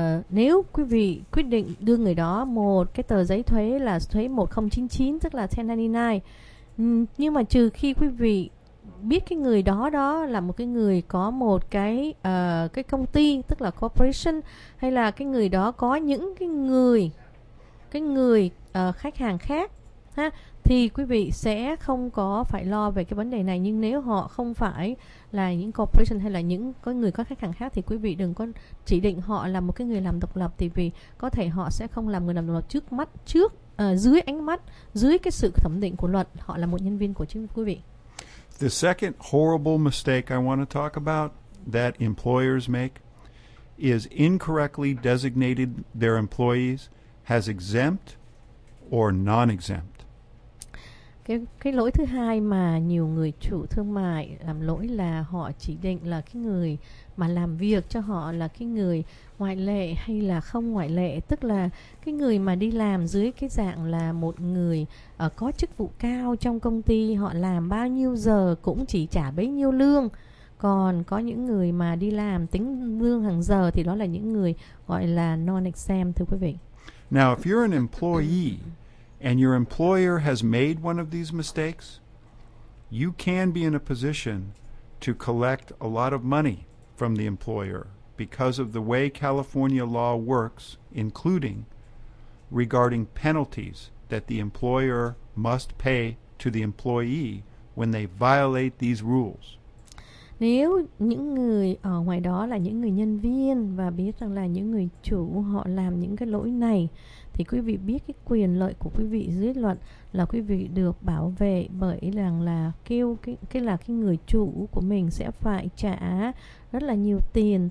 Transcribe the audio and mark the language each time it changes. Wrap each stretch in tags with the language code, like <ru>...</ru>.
<vi>Nếu quý vị quyết định đưa người đó một cái tờ giấy thuế là thuế 1099, tức là 1099, nhưng mà trừ khi quý vị biết cái người đó đó là một cái người có một cái công ty, tức là corporation, hay là cái người đó có những cái người khách hàng khác, thì quý vị sẽ không có phải lo về cái vấn đề này. Nhưng nếu họ không phải là những corporation hay là những có người có khách hàng khác thì quý vị đừng có chỉ định họ là một cái người làm độc lập, thì vì có thể họ sẽ không làm người làm độc lập trước mắt, trước dưới ánh mắt, dưới cái sự thẩm định của luật, họ là một nhân viên của chính quý vị.</vi> <en>The second horrible mistake I want to talk about that employers make is incorrectly designated their employees as exempt or non-exempt.</en> <vi>Cái lỗi thứ hai mà nhiều người chủ thương mại làm lỗi là họ chỉ định là cái người mà làm việc cho họ là cái người ngoại lệ hay là không ngoại lệ, tức là cái người mà đi làm dưới cái dạng là một người có chức vụ cao trong công ty, họ làm bao nhiêu giờ cũng chỉ trả bấy nhiêu lương. Còn có những người mà đi làm tính lương hàng giờ thì đó là những người gọi là non-exempt, thưa quý vị.</vi> <en>Now if you're an employee and your employer has made one of these mistakes, you can be in a position to collect a lot of money from the employer because of the way California law works, including regarding penalties that the employer must pay to the employee when they violate these rules.</en> <vi>Nếu những người ở ngoài đó là những người nhân viên và biết rằng là những người chủ họ làm những cái lỗi này, thì quý vị biết cái quyền lợi của quý vị dưới luật là quý vị được bảo vệ bởi rằng là kêu cái là cái người chủ của mình sẽ phải trả rất là nhiều tiền.</vi>